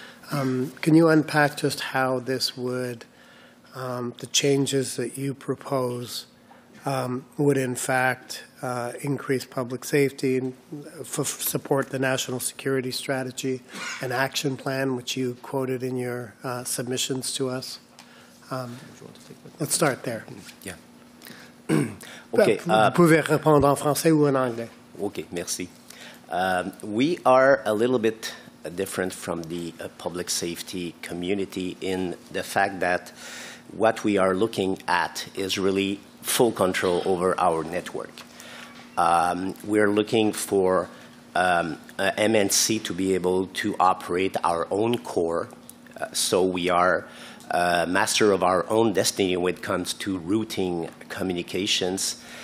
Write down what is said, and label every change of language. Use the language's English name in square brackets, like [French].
[English] Can you unpack just how this would, the changes that you propose would in fact increase public safety, support the national security strategy and action plan, which you quoted in your submissions to us. Let's start there. Yeah. Okay. [French] Vous pouvez répondre en français ou en anglais. Okay, merci. [English] We are a little bit different from the public safety community in the fact that what we are looking at is really full control over our network. We're looking for MNC to be able to operate our own core, so we are master of our own destiny when it comes to routing communications.